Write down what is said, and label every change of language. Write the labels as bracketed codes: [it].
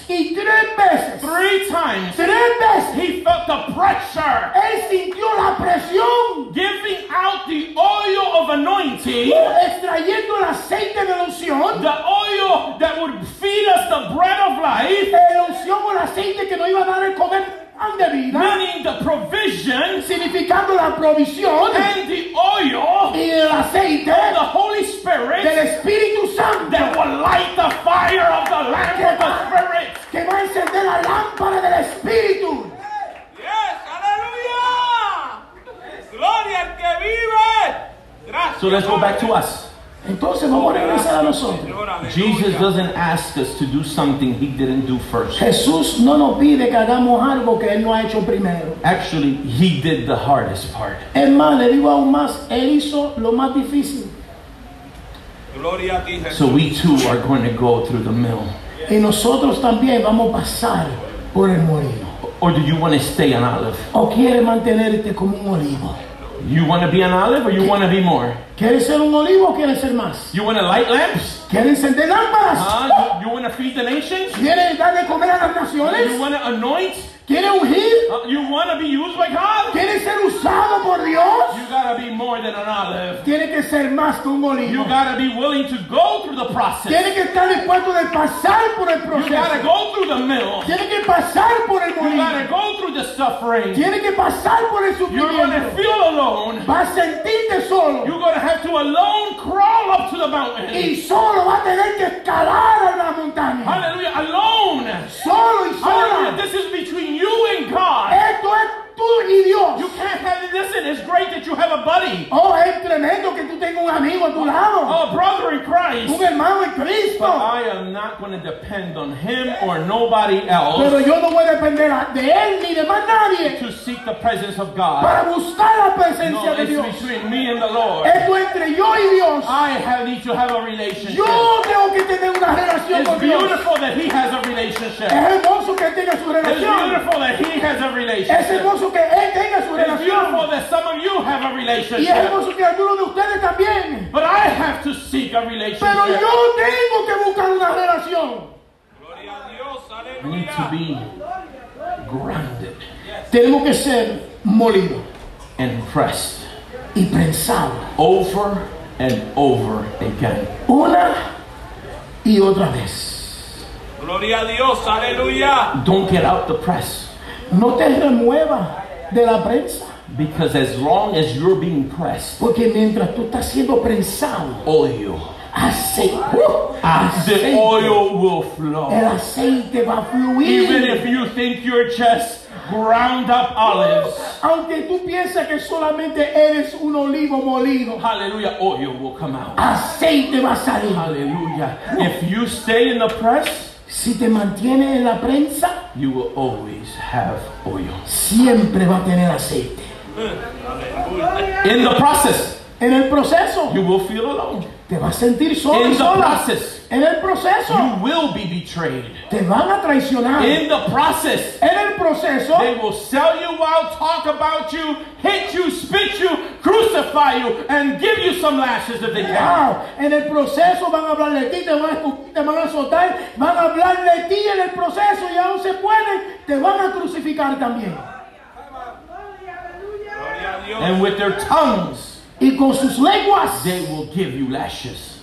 [es] Y tres veces. [en] Three times. [es] Tres veces. [en] He felt the pressure. [es] Él sintió la presión. [en] Giving out the oil of anointing. [es] Extrayendo el aceite de la unción. [en] The oil that would feed us the bread of life. [es] El aceite que nos iba a dar el comer pan de vida. [en] Meaning the provision. [es] Significando la provisión. [en] And the oil. [es] Y el aceite. [en] Of the Holy Spirit. [es] Del Espíritu Santo. [en] That will light the fire of the lamp of the Spirit. [es] Que va a encender la lámpara del Espíritu. Yes, aleluya. Gloria al que vive. Gracias. [en] So let's go back to us. [es] Entonces vamos a regresar a nosotros. [en] Jesus doesn't ask us to do something he didn't do first. [es] Jesús no nos pide que hagamos algo que él no ha hecho primero. [en] Actually, he did the hardest part. [es] Es más, le digo aún más, él hizo lo más difícil. Gloria a ti, Jesús. [en] So we too are going to go through the mill. [es] Y nosotros también vamos a pasar por el molino. [en] Or do you want to stay an olive? [es] ¿O quiere mantenerte como un olivo? [en] You want to be an olive or you want to be more? [es] ¿Quieres ser un olivo o quieres ser más? [en] You want to light lamps? [es] ¿Quieres encender lámparas? [en] You want to feed the nations? [es] ¿Quieres darle comer a las naciones? [en] You want to anoint? [es] ¿Quieres ungir? [en] You want to be used by God? [es] ¿Quieres ser usado por Dios? [en] You got to be more than an olive. [es] ¿Tienes que ser más que un olivo? [en] You got to be willing to go through the process. [es] ¿Tienes que estar dispuesto de pasar por el proceso? [en] You got to go through the mill. [es] ¿Tienes que pasar por el molino? [en] You got to go through the suffering. [es] ¿Tienes que pasar por el sufrimiento? [en] You're going to feel alone. [es] ¿Vas a sentirte solo? [en] You're going to have to alone crawl up to the mountain. [es] Y solo vas a tener que escalar a la montaña. [en] Hallelujah, alone. [es] Solo y sola. [en] Hallelujah, this is between you and God. [es] Esto es tú y Dios. [en] You can't have this. body. [es] Oh, es tremendo que tú tengas un amigo a tu lado. [en] Oh, brother in Christ. [es] Un hermano en Cristo. [en] But I am not going to depend on him or nobody else. [es] Pero yo no voy a depender de él ni de más nadie. [en] To seek the presence of God. [es] Para buscar la presencia no, de Dios. [en] No, it's between me and the Lord. [es] Esto entre yo y Dios. [en] I have need to have a relationship. [es] Yo tengo que tener una relación [en] it's [es] con Dios. [en] It's beautiful that he has a relationship. [es] Es hermoso que tenga su relación. [en] It's beautiful that he has a relationship. [es] Es hermoso que él tenga su relación. [en] It's beautiful that some of you have a relationship. [es] Y es hermoso que alguno de ustedes también. [en] But I have to seek a relationship. [es] Pero yo tengo que buscar una relación. Gloria a Dios, aleluya. [en] We need to be grounded. [es] Yes. Tenemos que ser molido. [en] And pressed. [es] Y prensado. [en] Over and over again. [es] Una y otra vez. Gloria a Dios, aleluya. [en] Don't get out the press. [es] No te remuevas de la prensa. [en] Because as long as you're being pressed, [es] porque mientras tú estás siendo prensado, [en] oil, [es] aceite, [en] the oil will flow. [es] El aceite va a fluir. [en] Even if you think you're just ground up olives, [es] aunque tú pienses que solamente eres un olivo molido, [en] hallelujah, oil will come out. [es] Aceite va a salir. [en] Hallelujah. If you stay in the press, [es] si te mantienes en la prensa, [en] you will always have oil. [es] Siempre va a tener aceite. [en] In the process, [es] en el proceso, [en] you will feel alone. [es] Te vas a sentir solo. [en] In the [es] sola. [en] Process, [es] en el proceso, [en] you will be betrayed. [es] Te van a traicionar. [en] In the process, [es] en el proceso, [en] they will sell you out, talk about you, hit you, spit you, crucify you, and give you some lashes if they can. Wow. [es] En el proceso van a hablar de ti, te van a soltar, van a hablar de ti en el proceso y aún se pueden, te van a crucificar también. [en] And with their tongues, [es] y con sus lenguas, [en] they will give you lashes.